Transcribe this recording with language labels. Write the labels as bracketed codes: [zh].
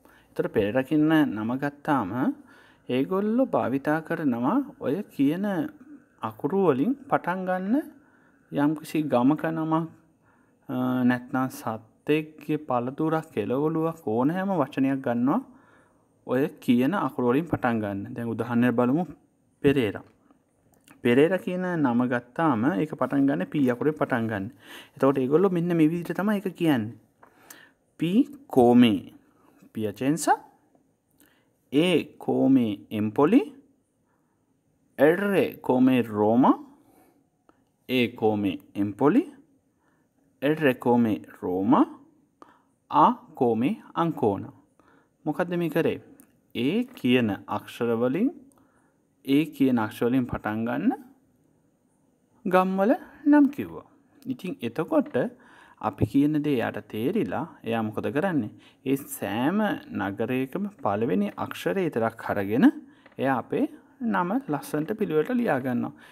[si] එතකොට පෙරේරා කියන නම ගත්තාම ඒගොල්ලෝ භාවිතා කරනවා ඔය කියන අකුරු වලින් පටන් ගන්න යම්කිසි ගමක නම නැත්නම් සත් තේකේ පළතුරක් කෙලවලුවක් ඕනෑම වචනයක් ගන්නවා ඔය කියන අකුරු වලින් පටන් ගන්න. දැන් උදාහරණයක් බලමු පෙරේරා. පෙරේරා කියන නම ගත්තාම ඒක පටන් ගන්න P අකුරෙන් පටන් ගන්න. එතකොට ඒගොල්ලෝ මෙන්න මේ විදිහට තමයි ඒක කියන්නේ. [it] P come Piacenza, E come Empoli, R come Roma, E come Empoli, R come Roma, A come Ancona. [si] මොකද්ද මේ කරේ? ඒ කියන අක්ෂරවලින් ඒ කියන අක්ෂරවලින් පටන් ගන්න ගම්වල නම් කිව්වා. ඉතින් එතකොට අපි කියන දේ යට තේරිලා එයා මොකද කරන්නේ? ඒ සෑම නගරයකම පළවෙනි අක්ෂරය විතරක් අරගෙන එයා අපේ නම ලස්සන්ට පිළිවෙලට ලියා ගන්නවා.